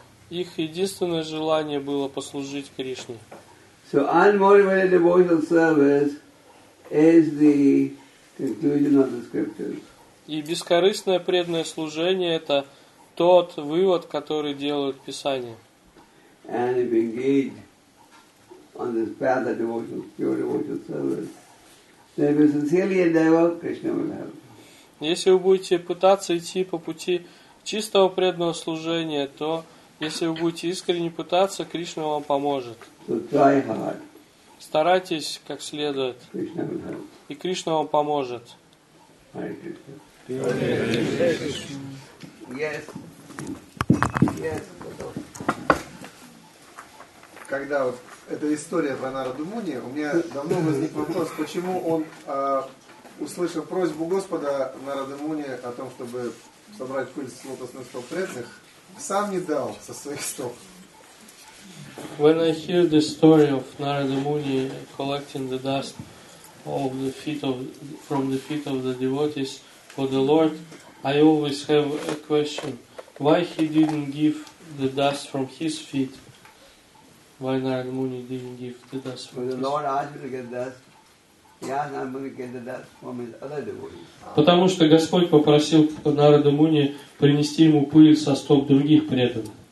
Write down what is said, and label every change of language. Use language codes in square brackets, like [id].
[ru] Их единственное желание было послужить Кришне. [en] So unmotivated devotional service is the conclusion of the scriptures. [ru] И бескорыстное преданное служение — это тот вывод, который делают Писания. [en] And if we engage on this path of devotional, pure devotional service, then we sincerely endeavor, Krishna will help. [ru] Если вы будете пытаться идти по пути чистого преданного служения, то если вы будете искренне пытаться, Кришна вам поможет. [en] So try hard. [ru] Старайтесь как следует. [en] Krishna will help. [ru] И Кришна вам поможет. [en] Yes. Yes. [ru] Когда вот эта история про Нараду Муни, у меня давно возник вопрос, почему он, услышав просьбу Господа Нараду Муни о том, чтобы собрать пыль с лотосных стоп преданных, сам не дал со своих стоп. [en] When I hear the story of Narada Muni collecting the dust of the feet of from the feet of the devotees for the Lord, I always have a question: why he didn't give the dust from his feet? Why Narada Muni didn't give the dust from his feet? When the Lord asked him to get dust, he asked Narada Muni to get the dust from his other devotees. [ru] Потому что Господь попросил Нараду Муни принести ему пыль со стоп других преданных.